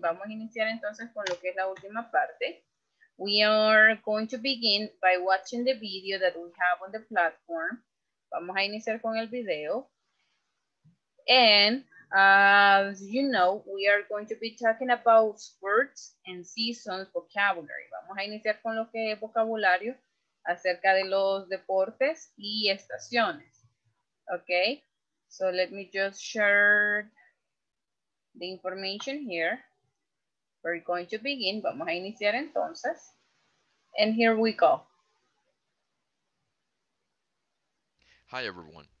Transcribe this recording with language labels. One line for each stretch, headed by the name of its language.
Spanish: Vamos a iniciar entonces con lo que es la última parte.
English: We are going to begin by watching the video that we have on the platform.
Spanish: Vamos a iniciar con el video.
English: And as you know, we are going to be talking about sports and seasons vocabulary.
Spanish: Vamos a iniciar con lo que es vocabulario acerca de los deportes y estaciones.
English: Okay, so let me just share the information here. We're going to begin.
Spanish: Vamos a iniciar entonces.
English: And here we go. Hi, everyone.